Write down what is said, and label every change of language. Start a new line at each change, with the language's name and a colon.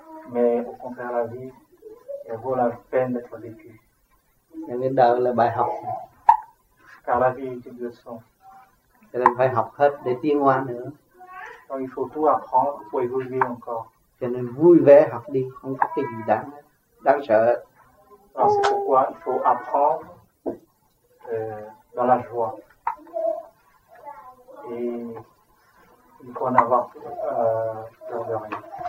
French: Mais au contraire, la vie, elle vaut la peine d'être vécue.
Vietnamese: Nên đến đâu là bài học.
French: Cả la vie est une leçon.
Vietnamese: Cho nên phải học hết để tiến hóa nữa.
French: Donc il faut tout apprendre pour évoluer encore.
Vietnamese: Cho nên vui vẻ học đi, không có cái gì đáng sợ.
French: Alors c'est pourquoi il faut apprendre dans la joie. Et il faut en avoir peur de rien.